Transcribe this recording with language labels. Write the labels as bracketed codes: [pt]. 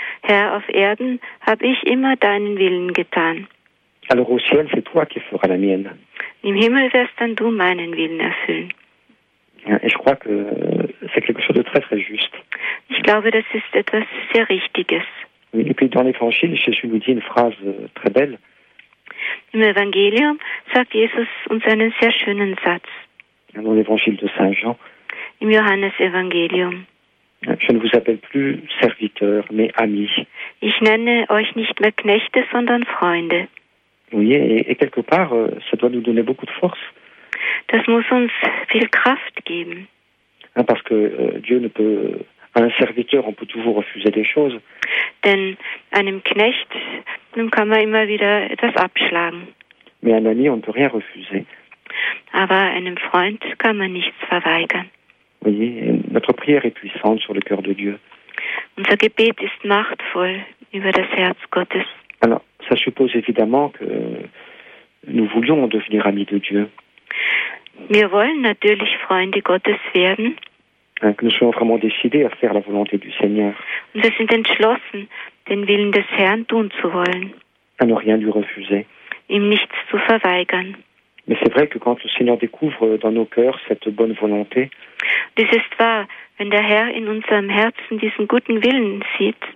[de] Herr, auf Erden habe ich immer deinen Willen getan. [fr] Alors au ciel, c'est toi qui feras la mienne. [de] Im Himmel wirst dann du meinen Willen erfüllen. [fr] Et je crois que c'est quelque chose de très très juste. [de] Ich glaube, das ist etwas sehr Richtiges. [fr] Et puis dans l'Évangile, Jésus nous dit une phrase très belle. [de] Im Evangelium sagt Jesus uns einen sehr schönen Satz. [fr] Dans l'Évangile de Saint Jean. [de] Im Johannes-Evangelium. [fr] Je ne vous appelle plus serviteur, mais ami. [de] Ich nenne euch nicht mehr Knechte, sondern Freunde. [fr] Oui, et quelque part, ça doit nous donner beaucoup de force. [de] Das muss uns viel Kraft geben. [fr] Parce que Dieu ne peut Un serviteur, on peut toujours refuser des choses. [de] Denn einem Knecht, dem kann man immer wieder etwas abschlagen. [fr] Mais un ami, on ne peut rien refuser. [de] Aber einem Freund kann man nichts verweigern. [fr] Oui, notre prière est puissante sur le cœur de Dieu. [de] Unser Gebet ist machtvoll über das Herz Gottes. [fr] Alors, ça suppose évidemment que nous voulions devenir amis de Dieu. [de] Wir wollen natürlich Freunde Gottes werden. [fr] Que nous soyons vraiment décidés à faire la volonté du Seigneur. [de] Und wir sind entschlossen, den Willen des Herrn tun zu wollen. [fr] À ne rien lui refuser. [de] Ihm nichts zu verweigern. [fr] Mais c'est vrai que quand le Seigneur découvre dans nos cœurs cette bonne volonté, [de] das ist wahr, wenn der Herr in unserem Herzen diesen guten Willen sieht,